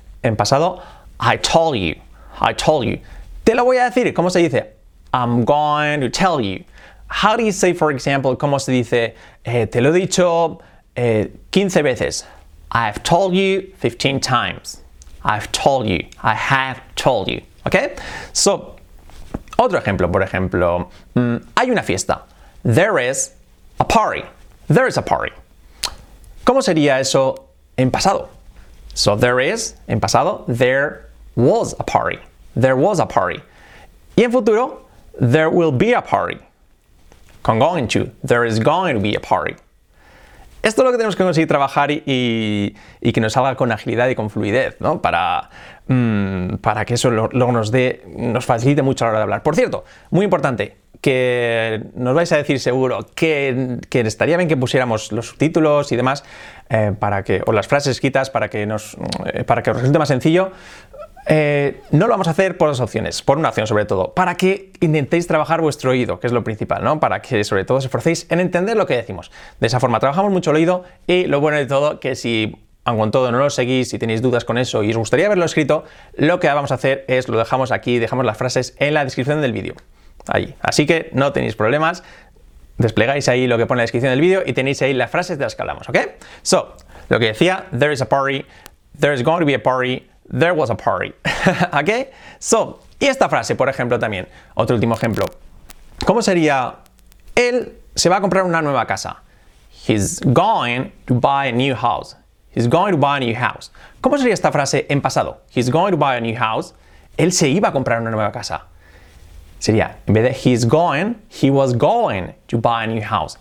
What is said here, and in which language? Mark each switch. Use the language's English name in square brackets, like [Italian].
[Spanish] En pasado, [English] I told you, I told you. [Spanish] Te lo voy a decir, ¿cómo se dice? [English] I'm going to tell you. How do you say, for example, [Spanish] cómo se dice, te lo he dicho 15 veces. [English] I've told you 15 times. I've told you, I have told you. ¿Ok? [Spanish] So, otro ejemplo, por ejemplo, hay una fiesta. [English] There is a party. There is a party. [Spanish] ¿Cómo sería eso en pasado? [English] So there is, [Spanish] en pasado, [English] there was a party. There was a party. [Spanish] Y en futuro, [English] there will be a party. Con going to, there is going to be a party. [Spanish] Esto es lo que tenemos que conseguir trabajar y que nos salga con agilidad y con fluidez, ¿no? Para que eso luego nos facilite mucho a la hora de hablar. Por cierto, muy importante, que nos vais a decir seguro que estaría bien que pusiéramos los subtítulos y demás para que, o las frases escritas para que os resulte más sencillo. No lo vamos a hacer por dos opciones, por una opción sobre todo, para que intentéis trabajar vuestro oído, que es lo principal, ¿no? Para que sobre todo os esforcéis en entender lo que decimos. De esa forma trabajamos mucho el oído y lo bueno de todo que si aun con todo no lo seguís, si tenéis dudas con eso y os gustaría verlo escrito, lo que vamos a hacer es lo dejamos aquí, dejamos las frases en la descripción del vídeo. Ahí. Así que no tenéis problemas, desplegáis ahí lo que pone en la descripción del vídeo y tenéis ahí las frases de las que hablamos, ¿ok? [English] So, [Spanish] lo que decía, [English] there is a party, there is going to be a party, there was a party, ¿ok? So, [Spanish] Y esta frase, por ejemplo, también. Otro último ejemplo. ¿Cómo sería? Él se va a comprar una nueva casa. [English] He's going to buy a new house. He's going to buy a new house. [Spanish] ¿Cómo sería esta frase en pasado? [English] He's going to buy a new house. [Spanish] Él se iba a comprar una nueva casa. Sería, en vez de [English] he's going, he was going to buy a new house.